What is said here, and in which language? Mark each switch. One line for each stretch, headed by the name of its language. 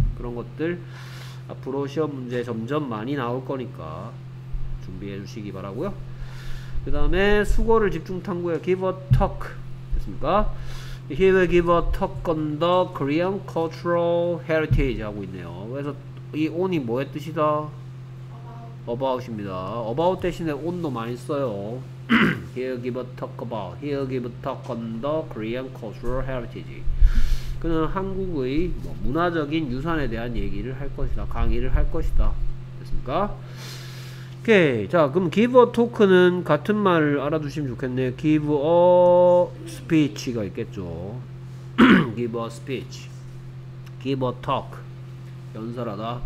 Korean: 그런 것들 앞으로 시험 문제 점점 많이 나올 거니까 준비해 주시기 바라고요. 그 다음에 수거를 집중 탐구해
English: give a talk
Korean: 됐습니까?
English: He will give a talk on the Korean cultural heritage
Korean: 하고 있네요. 그래서 이 on이 뭐의 뜻이다? about입니다. about 대신에 on도 많이 써요.
English: He'll give a talk about, he'll give a talk on the Korean cultural heritage.
Korean: 그는 한국의 뭐 문화적인 유산에 대한 얘기를 할 것이다. 강의를 할 것이다. 됐습니까? 오케이. 자, 그럼
English: give a talk
Korean: 는 같은 말을 알아두시면 좋겠네요.
English: Give a speech가 있겠죠. give a speech. Give a talk. 연설하다.